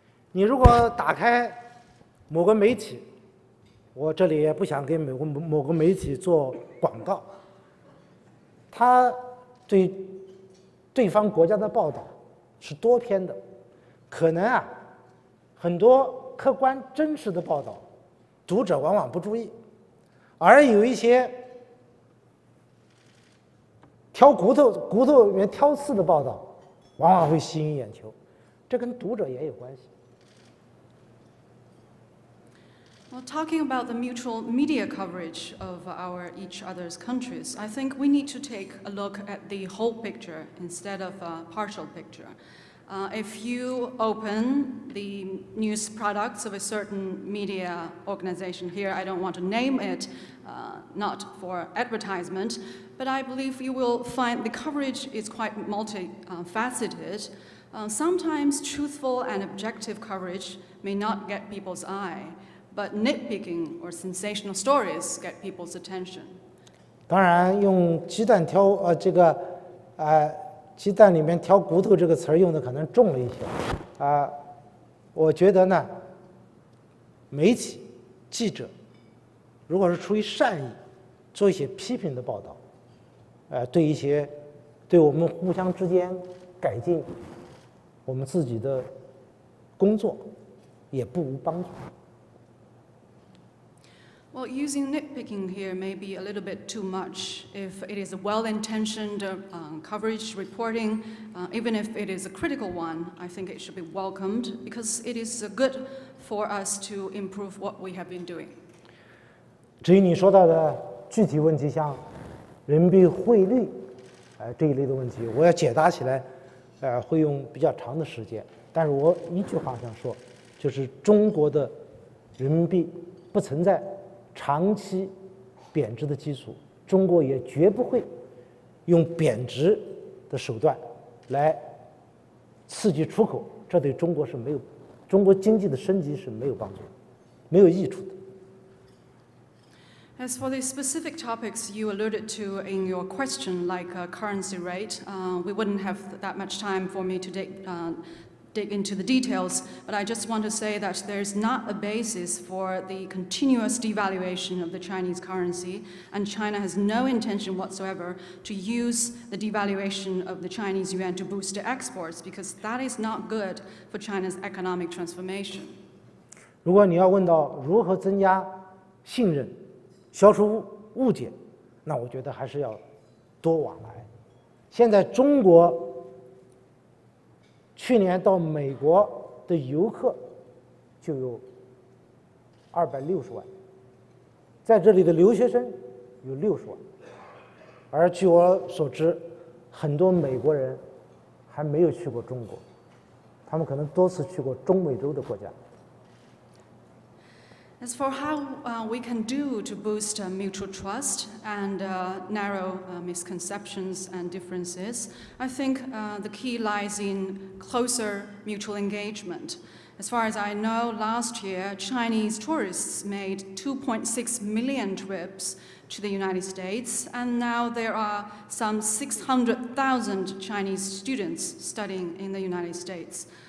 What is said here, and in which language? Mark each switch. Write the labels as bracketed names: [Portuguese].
[Chinese] 你如果打开某个媒体，我这里也不想给某个媒体做广告，他对对方国家的报道是多篇的，可能啊很多客观真实的报道读者往往不注意，而有一些挑骨头里面挑刺的报道往往会吸引眼球，这跟读者也有关系。 [English] Well, talking about the mutual media coverage of our each other's countries, I think we need to take a look at the whole picture instead of a partial picture. If you open the news products of a certain media organization here, I don't want to name it, not for advertisement, but I believe you will find the coverage is quite multifaceted. Sometimes truthful and objective coverage may not get people's eye, but nitpicking or sensational stories get people's attention. [Chinese] 当然用鸡蛋挑这个鸡蛋里面挑骨头这个词用的可能重了一些。我觉得呢，媒体记者如果是出于善意做一些批评的报道，对一些对我们互相之间改进我们自己的工作也不无帮助。 [English] Well, using nitpicking here may be a little bit too much. If it is a well-intentioned coverage reporting, even if it is a critical one, I think it should be welcomed because it is good for us to improve what we have been doing. [Chinese] 至于你说到的具体问题，像人民币汇率，这一类的问题，我要解答起来，会用比较长的时间。但是我一句话想说，就是中国的人民币不存在长期贬值的基础，中国也绝不会用贬值的手段来刺激出口，这对中国是没有，中国经济的升级是没有帮助的，没有益处的。 [English] As for the specific topics you alluded to in your question, like currency rate, we wouldn't have that much time for me to dig into the details, but I just want to say that there's not a basis for the continuous devaluation of the Chinese currency, and China has no intention whatsoever to use the devaluation of the Chinese yuan to boost exports, because that is not good for China's economic transformation. [Chinese] 如果你要问到如何增加信任，消除误解，那我觉得还是要多往来。现在中国去年到美国的游客就有260万，在这里的留学生有60万，而据我所知，很多美国人还没有去过中国，他们可能多次去过中美洲的国家。 [English] As for how we can do to boost mutual trust and narrow misconceptions and differences, I think the key lies in closer mutual engagement. As far as I know, last year, Chinese tourists made 2.6 million trips to the United States, and now there are some 600,000 Chinese students studying in the United States.